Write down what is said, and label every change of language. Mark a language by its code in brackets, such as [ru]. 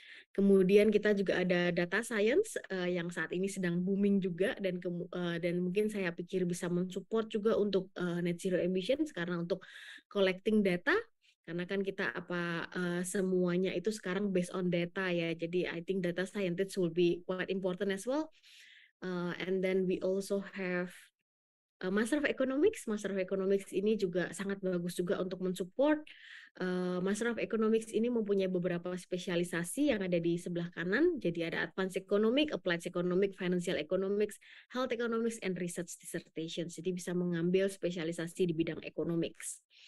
[id] Kemudian kita juga ada data science yang saat ini sedang booming juga, dan mungkin saya pikir bisa mensupport juga untuk net zero emissions karena untuk collecting data, karena kan kita semuanya itu sekarang based on data ya, jadi [en] I think data scientist will be quite important as well. And then we also have Master of Economics. [id] Master of Economics ini juga sangat bagus juga untuk mensupport. Master of Economics ini mempunyai beberapa spesialisasi yang ada di sebelah kanan. Jadi ada Advanced Economics, Applied Economics, Financial Economics, Health Economics, and Research Dissertation. Jadi bisa mengambil spesialisasi di bidang economics.